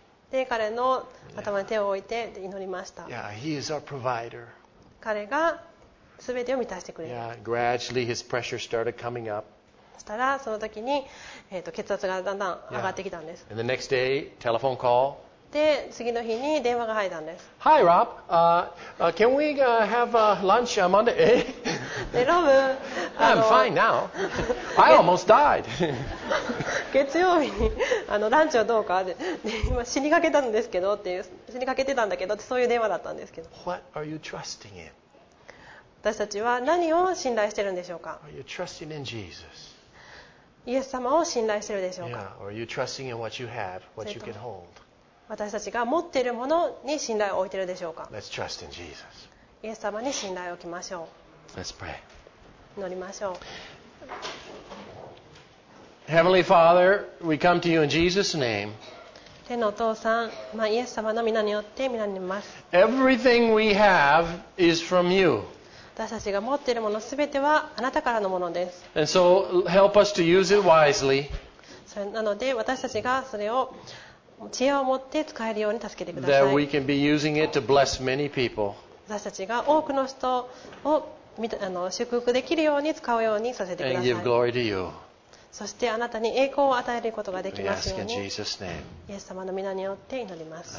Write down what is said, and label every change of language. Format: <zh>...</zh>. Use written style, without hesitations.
<ja>で彼の頭に手を置いて祈りました。</ja> <en>Yeah, he is our provider.</en> <ja>彼が全てを満たしてくれる。</ja> <en>Yeah, gradually his pressure started coming up.</en> <ja>そしたらその時に、血圧がだんだん上がってきたんです。</ja> <en>Yeah. And the next day, telephone call.</en> <ja>で次の日に電話が入ったんです。</ja> <en>Hi, Rob. Can we have a lunch on Monday?</en> <ja>でロブ。</ja> <en>I'm fine now. I almost died.</en> <ja>月曜日にランチはどうかで今死にかけたんですけどっていう死にかけてたんだけどってそういう電話だったんですけど。</ja> <en>What are you trusting in?</en> <ja>私たちは何を信頼してるんでしょうか。</ja> <en>Are you trusting in Jesus?</en> <ja>イエス様を信頼してるでしょうか。</ja> <en>Yeah. Are you trusting in what you have, what you can hold?</en> <ja>私たちが持っているものに信頼を置いてるでしょうか。</ja> <en>Let's trust in Jesus.</en> <ja>イエス様に信頼を置きましょう。</ja> <en>Let's pray.</en> <ja>祈りましょう。</ja> <en>Heavenly Father, we come to you in Jesus' name.</en> <ja>天のお父さん、まあ、イエス様の皆によって皆にいます。</ja> <en>Everything we have is from you.</en> <ja>私たちが持っているものすべてはあなたからのものです。</ja> <en>And so help us to use it wisely.</en> <ja>それなので私たちがそれを知恵を持って使えるように助けてください。</ja> <en>That we can be using it to bless many people.</en> <ja>私たちが多くの人を祝福できるように使うようにさせてください。</ja> <en>And give glory to you.</en> <ja>そしてあなたに栄光を与えることができますように。イエス様の皆によって祈ります。</ja>